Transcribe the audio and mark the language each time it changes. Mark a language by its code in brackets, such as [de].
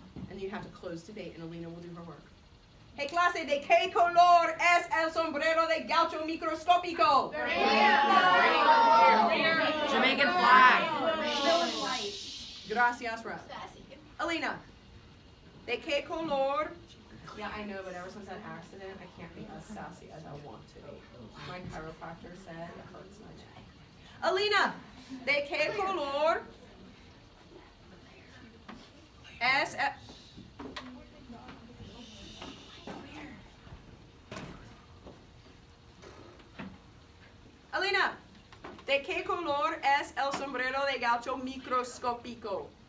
[en] And you have to close debate, and Alina will do her work. [es] Hey, clase, ¿de qué color es el sombrero de gaucho microscópico? [en] Jamaican flag. [es] Gracias, Rob. Alina, ¿de qué color? [en] Yeah, I know, but ever since that accident, I can't be as sassy as I want to be. My chiropractor said it hurts my chest. [es] Alina, ¿de qué color es Alina, ¿de qué color es el sombrero de gaucho microscópico?